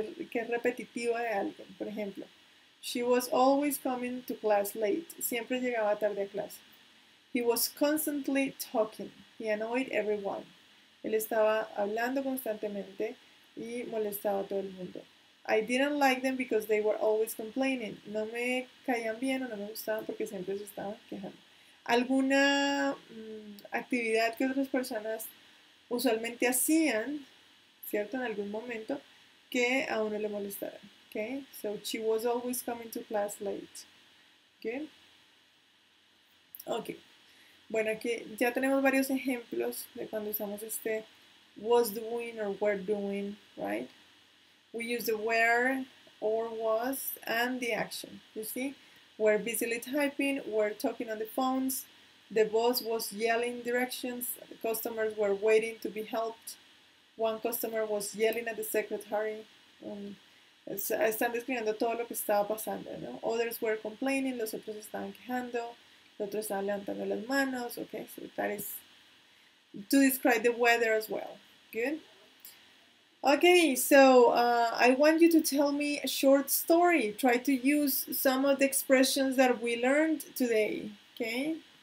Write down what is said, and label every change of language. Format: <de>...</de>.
<es>Que es repetitivo de alguien. Por ejemplo,</es> <en>she was always coming to class late.</en> <es>Siempre llegaba tarde a clase.</es> <en>He was constantly talking. He annoyed everyone.</en> <es>Él estaba hablando constantemente y molestaba a todo el mundo.</es> <en>I didn't like them because they were always complaining.</en> <es>No me caían bien o no me gustaban porque siempre se estaban quejando. Alguna actividad que otras personas usualmente hacían, ¿cierto? En algún momento, que a uno le molestara.</es> <en>Okay? So she was always coming to class late. Okay? Okay.</en> <es>Bueno, aquí ya tenemos varios ejemplos de cuando usamos este</es> <en>was doing or were doing, right? We use the were or was and the action. You see, we're busily typing, we're talking on the phones, the boss was yelling directions, the customers were waiting to be helped, one customer was yelling at the secretary.</en> <es>Están describiendo todo lo que estaba pasando, ¿no?</es> <en>Others were complaining,</en> <es>los otros estaban quejando, los otros estaban levantando las manos.</es> <en>Okay, so that is to describe the weather as well. Good. Okay, so I want you to tell me a short story. Try to use some of the expressions that we learned today, okay?</en>